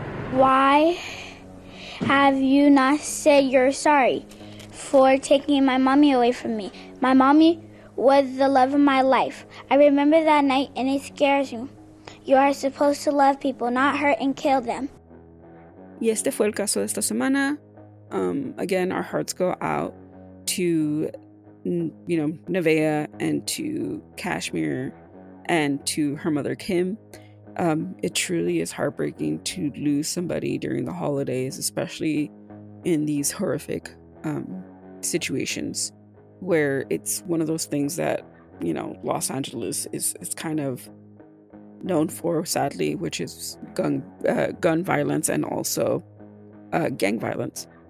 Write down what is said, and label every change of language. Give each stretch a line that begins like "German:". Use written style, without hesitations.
English: Why have you not said you're sorry for taking my mommy away from me? My mommy was the love of my life. I remember that night and it scares me. You are supposed to love people, not hurt and kill them.
Spanish: Y este fue el caso de esta semana.
English: Again, our hearts go out to, you know, Nevaeh and to Kashmir and to her mother, Kim. It truly is heartbreaking to lose somebody during the holidays, especially in these horrific situations where it's one of those things that, you know, Los Angeles is kind of known for, sadly, which is gun violence and also gang violence.